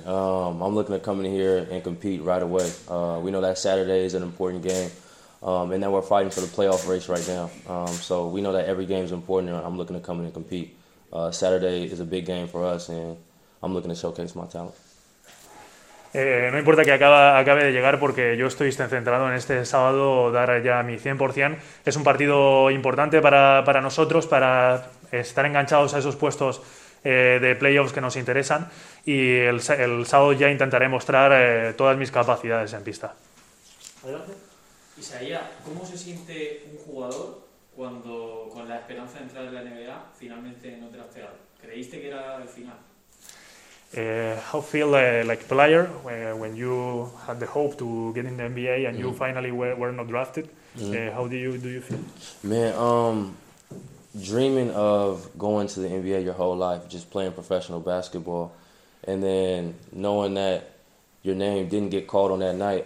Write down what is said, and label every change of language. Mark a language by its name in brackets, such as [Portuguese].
[English] I'm looking to come in here and compete right away. We know that Saturday is an important game. And that we're fighting for the playoff race right now. So we know that every game is important, and I'm looking to come in and compete. Saturday is a big game for us, and I'm looking to showcase my talent. [Spanish] No importa que acabe de llegar, porque yo estoy centrado en este sábado dar ya mi 100%. Es un partido importante para nosotros, para estar enganchados a esos puestos de playoffs que nos interesan, y el sábado ya intentaré mostrar todas mis capacidades en pista. Adelante. Isaías, ¿cómo se siente un jugador cuando, con la esperanza de entrar en la NBA, finalmente no te has pegado? ¿Creíste que era el final? [English] How feel like player when you had the hope to get in the NBA and you finally were not drafted? How do you feel? Man, dreaming of going to the NBA your whole life, just playing professional basketball, and then knowing that your name didn't get called on that night.